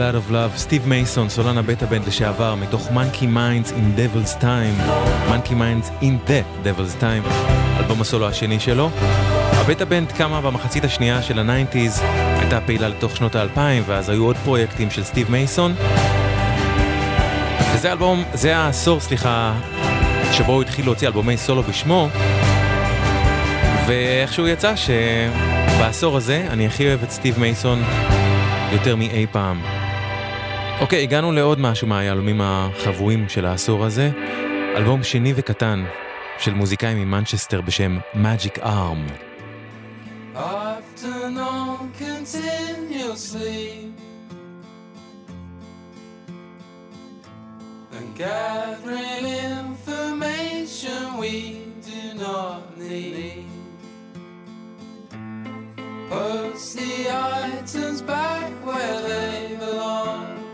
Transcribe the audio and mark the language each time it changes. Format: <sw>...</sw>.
<he>Love, סטיב מייסון, סולן הבטה בנד לשעבר, מתוך Monkey Minds in Devil's Time, Monkey Minds in the Devil's Time, אלבום הסולו השני שלו. הבטה בנד קמה במחצית השנייה של ה-90s, הייתה פעילה לתוך שנות ה-2000, ואז היו עוד פרויקטים של סטיב מייסון. וזה אלבום, זה העשור, סליחה, שבו הוא התחיל להוציא אלבומי סולו בשמו, ואיכשהו יצא שבעשור הזה אני הכי אוהב את סטיב מייסון יותר מאי פעם. אוקיי, הגענו לעוד משהו מהיהלומים החבויים של העשור הזה. אלבום שני וקטן של מוזיקאי ממנצ'סטר בשם Magic Arm.</he> <en>Often on continuously And gathering information we do not need Puts the items back where they belong</en>